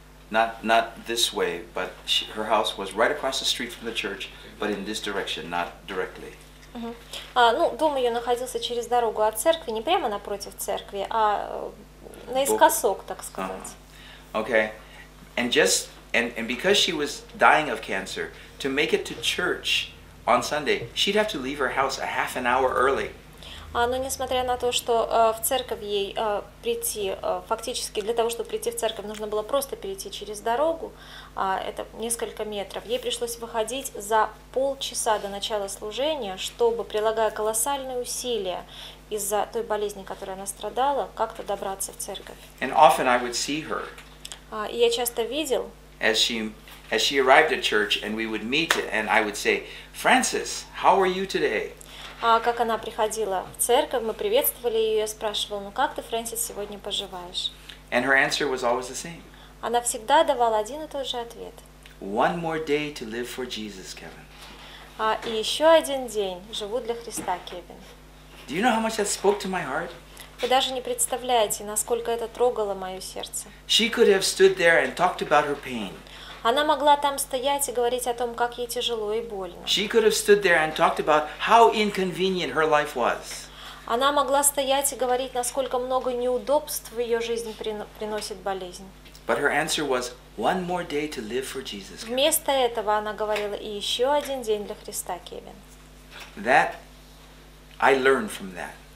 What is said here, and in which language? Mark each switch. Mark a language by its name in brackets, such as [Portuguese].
[English] Not this way, but her house was right across the street from the church, but in this direction, not directly. [Russian] Дом ее находился через дорогу от церкви, не прямо напротив церкви, а наискосок, так сказать. [English] Okay. And because she was dying of cancer, to make it to church on Sunday, she'd have to leave her house a half an hour early. [Russian] Но несмотря на то, что в церковь ей прийти, фактически для того, чтобы прийти в церковь, нужно было просто перейти через дорогу, это несколько метров, ей пришлось выходить за полчаса до начала служения, чтобы, прилагая колоссальные усилия из-за той болезни, которой она страдала, как-то добраться в церковь. [English] And often I would see her. [Russian] И я часто видел, [English] as she arrived at church, and we would meet, and I would say, Frances, how are you today? [Russian] Как она приходила в церковь, мы приветствовали ее, я спрашивала, ну как ты, Фрэнсис, сегодня поживаешь? [English] And her answer was always the same. [Russian] Она всегда давала один и тот же ответ. [English] One more day to live for Jesus, Kevin. [Russian] И еще один день живу для Христа, Кевин. [English] Do you know how much that spoke to my heart? [Russian] Вы даже не представляете, насколько это трогало мое сердце. [English] She could have stood there and talked about her pain. [Russian] Она могла там стоять и говорить о том, как ей тяжело и больно. [English] She could have stood there and talked about how inconvenient her life was. [Russian] Она могла стоять и говорить, насколько много неудобств в ее жизни приносит болезнь. [English] But her answer was one more day to live for Jesus. [Russian] Вместо этого она говорила и еще один день для Христа, Кевин. [English] That I learned from that.